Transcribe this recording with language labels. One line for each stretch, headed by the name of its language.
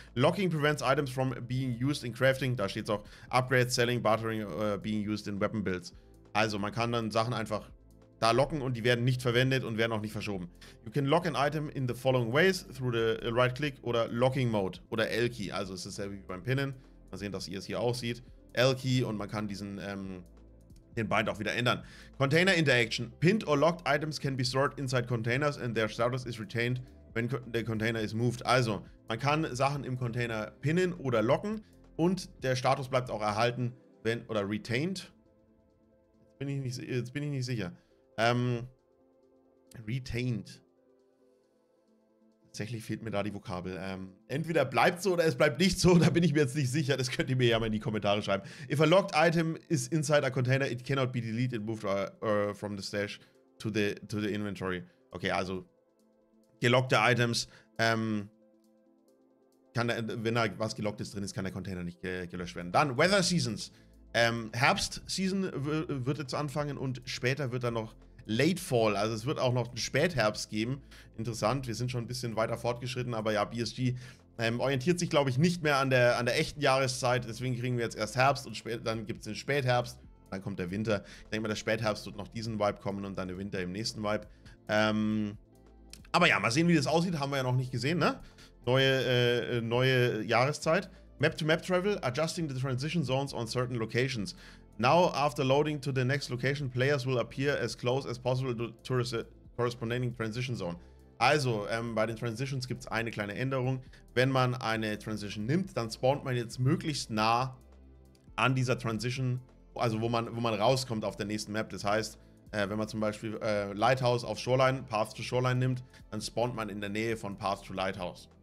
English: Locking prevents items from being used in crafting.
German: Da steht es auch.
English: Upgrades, selling, bartering, being used in weapon builds.
German: Also man kann dann Sachen einfach da locken und die werden nicht verwendet und werden auch nicht verschoben.
English: You can lock an item in the following ways, through the right-click oder Locking Mode oder L-Key.
German: Also es ist dasselbe wie beim Pinnen. Mal sehen, dass ihr es hier auch seht. L-Key und man kann diesen den Bind auch wieder ändern.
English: Container Interaction. Pinned or locked items can be stored inside containers and their status is retained when the container is moved.
German: Also, man kann Sachen im Container pinnen oder locken und der Status bleibt auch erhalten, wenn, oder retained. Jetzt bin ich nicht sicher. Retained. Tatsächlich fehlt mir da die Vokabel. Entweder bleibt so oder es bleibt nicht so. Da bin ich mir jetzt nicht sicher. Das könnt ihr mir ja mal in die Kommentare schreiben.
English: If a locked item is inside a container, it cannot be deleted, moved from the stash to the inventory.
German: Okay, also gelockte Items. Wenn da was Gelocktes drin ist, kann der Container nicht gelöscht werden. Dann Weather Seasons. Herbst-Season wird jetzt anfangen und später wird dann noch Late Fall, also es wird auch noch einen Spätherbst geben. Interessant, wir sind schon ein bisschen weiter fortgeschritten, aber ja, BSG orientiert sich, glaube ich, nicht mehr an der echten Jahreszeit. Deswegen kriegen wir jetzt erst Herbst und dann gibt es den Spätherbst, dann kommt der Winter. Ich denke mal, der Spätherbst wird noch diesen Vibe kommen und dann der Winter im nächsten Vibe. Aber ja, mal sehen, wie das aussieht, haben wir ja noch nicht gesehen, ne? Neue Jahreszeit.
English: Map-to-Map-Travel, adjusting the transition zones on certain locations. Now, after loading to the next location, players will appear as close as possible to the corresponding transition zone.
German: Also, bei den Transitions gibt es eine kleine Änderung. Wenn man eine Transition nimmt, dann spawnt man jetzt möglichst nah an dieser Transition, also wo man rauskommt auf der nächsten Map. Das heißt, wenn man zum Beispiel Lighthouse auf Shoreline, Path to Shoreline nimmt, dann spawnt man in der Nähe von Path to Lighthouse.